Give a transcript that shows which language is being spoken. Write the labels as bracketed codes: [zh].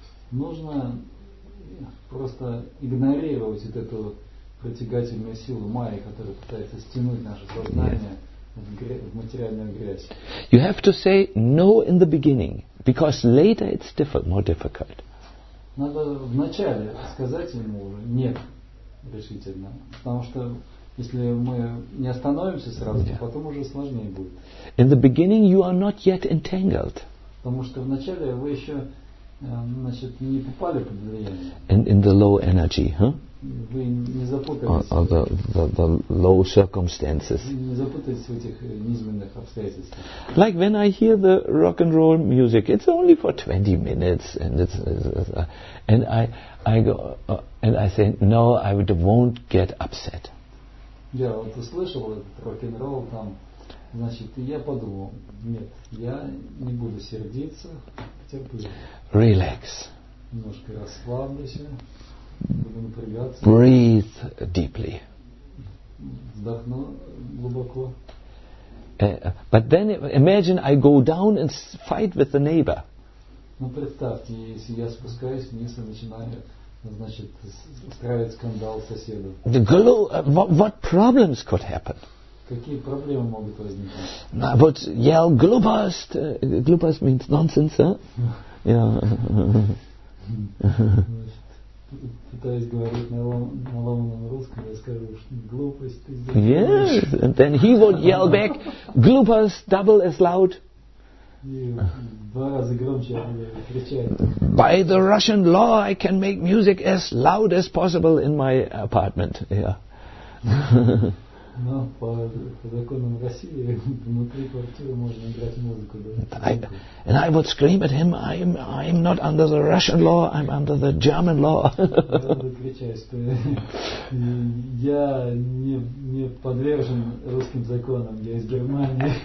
[ru] Нужно просто игнорировать вот эту притягательную силу Майи, которая пытается стянуть наше сознание в материальную грязь. [en] You have to say no in the beginning, because later it's more difficult. [ru] Надо вначале сказать ему уже нет, решительно. Потому что если мы не остановимся сразу, то потом уже сложнее будет. [en] In the beginning you are not yet entangled. [ru] Потому что вначале вы еще, значит, не попали под влияние. [en] And in the low energy, huh? [ru] Вы не запутаетесь. [en] Or the low circumstances. [ru] Не запутаетесь в этих низменных обстоятельствах. [en] Like when I hear the rock and roll music, it's only for 20 minutes, and I say, no, I won't get upset. [ru] Я вот услышал этот рок-н-ролл там, значит, и я подумал, нет, я не буду сердиться, потерплю. [en] Relax. [ru] Немножко расслаблюсь. Буду напрягаться. [en] Breathe deeply. [ru] Вдохну глубоко. [en] But then imagine I go down and fight with the neighbor. [ru] Ну представьте, если я спускаюсь вниз и начинаю, значит, устраивает скандал соседу. [en] The girl, what problems could happen? [ru] Какие проблемы могут возникнуть? [en] No, but yell globust. Globust means nonsense, huh? Yeah. [ru] Пытаюсь говорить на ломаном русском, я скажу, глупость. [en] Yes, and then he would yell back, globust, double as loud. [ru] Два раза громче кричать. [en] By the Russian law, I can make music as loud as possible in my apartment. Yeah. [ru] Но по законам России внутри квартиры можно играть музыку. [en] And I would scream at him, I'm not under the Russian law, I'm under the German law. [ru] Я не подвержен русским законам, я из Германии.